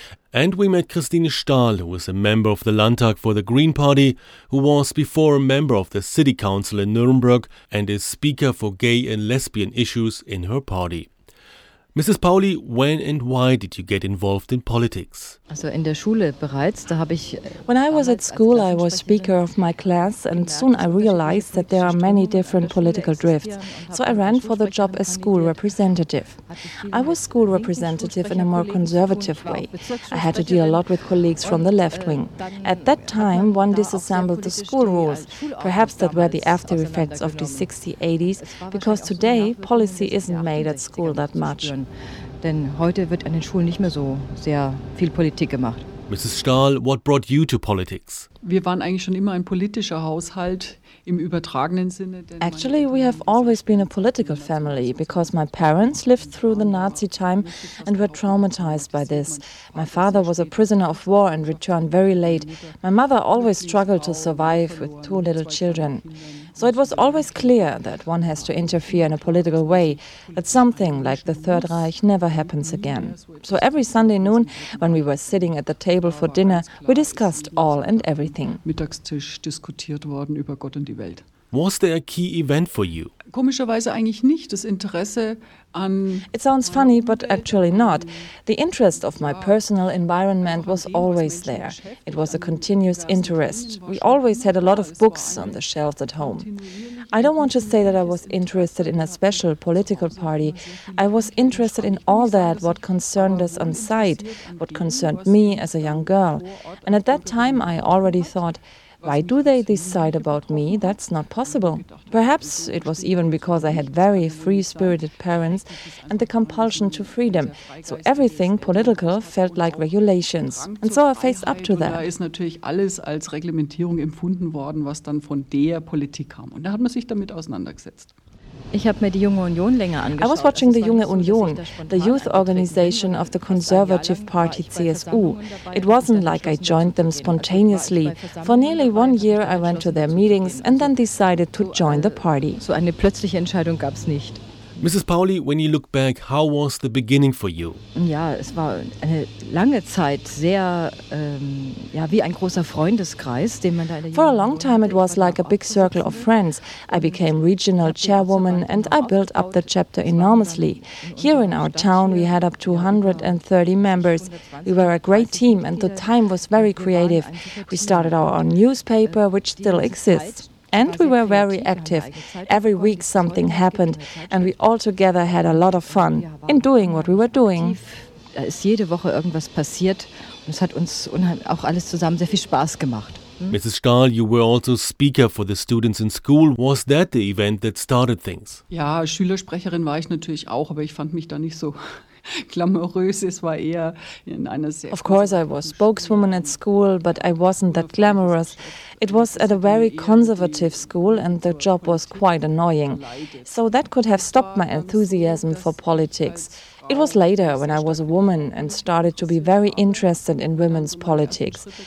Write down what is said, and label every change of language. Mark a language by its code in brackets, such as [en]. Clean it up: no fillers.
[en] And we met Christine Stahl, who is a member of the Landtag for the Green Party, who was before a member of the City Council in Nuremberg and is speaker for gay and lesbian issues in her party. Mrs. Pauli, when and why did you get involved in politics? [de] Also in der Schule bereits, da habe ich... [en] When I was at school, I was speaker of my class and soon I realized that there are many different political drifts. So I ran for the job as school representative. I was school representative in a more conservative way. I had to deal a lot with colleagues from the left wing. At that time, one disassembled the school rules. Perhaps that were the after effects of the 60s, 80s, because today policy isn't made at school that much. [de] Denn heute wird an den Schulen nicht mehr so sehr viel Politik gemacht. [en] Mrs. Stahl, what brought you to politics? [de] Wir waren eigentlich schon immer ein politischer Haushalt im übertragenen Sinne. [en] Actually, we have always been a political family because my parents lived through the Nazi time and were traumatized by this. My father was a prisoner of war and returned very late. My mother always struggled to survive with two little children. So it was always clear that one has to interfere in a political way, that something like the Third Reich never happens again. So every Sunday noon, when we were sitting at the table for dinner, we discussed all and everything. [de] Mittagstisch diskutiert worden über Gott und die Welt. [en] Was there a key event for you? [de] Komischerweise eigentlich nicht. Das Interesse an... [en] It sounds funny, but actually not. The interest of my personal environment was always there. It was a continuous interest. We always had a lot of books on the shelves at home. I don't want to say that I was interested in a special political party. I was interested in all that what concerned us on site, what concerned me as a young girl. And at that time I already thought, why do they decide about me? That's not possible. Perhaps it was even because I had very free-spirited parents and the compulsion to freedom. So everything political felt like regulations. And so I faced up to that. [de] Da ist natürlich alles als Reglementierung empfunden worden, was dann von der Politik kam. Und da hat man sich damit auseinandergesetzt. Ich habe mir die Junge Union länger angeschaut. [en] I was watching the Junge Union, the youth organization of the conservative party CSU. It wasn't like I joined them spontaneously. For nearly one year I went to their meetings and then decided to join the party. [de] So eine plötzliche Entscheidung gab es nicht. [en] Mrs. Pauli, when you look back, how was the beginning for you? [de] Ja, es war eine lange Zeit sehr wie ein großer Freundeskreis, den man da in der [en] For a long time it was like a big circle of friends. I became regional chairwoman and I built up the chapter enormously. Here in our town we had up to 130 members. We were a great team and the time was very creative. We started our own newspaper, which still exists. And we were very active. Every week something happened and we all together had a lot of fun in doing what we were doing. [de] Da ist jede Woche irgendwas passiert und es hat uns auch alles zusammen sehr viel Spaß gemacht. [en] Mrs. Stahl, you were also speaker for the students in school. Was that the event that started things? [de] Ja, Schülersprecherin war ich natürlich auch, aber ich fand mich da nicht so... [en] Of course I was spokeswoman at school, but I wasn't that glamorous. It was at a very conservative school and the job was quite annoying. So that could have stopped my enthusiasm for politics. It was later when I was a woman and started to be very interested in women's politics.